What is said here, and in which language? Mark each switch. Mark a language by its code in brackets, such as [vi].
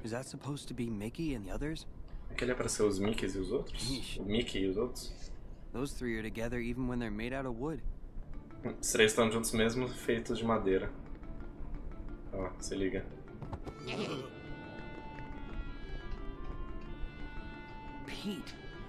[en] Is that supposed to be Mickey and the others? [pt] Aquele é para ser os Mickeys e os outros? O Mickey e os outros? [en] Those three are together even when they're made out of wood. [pt] Os três estão juntos mesmo feitos de madeira. Ó, se liga. Pete.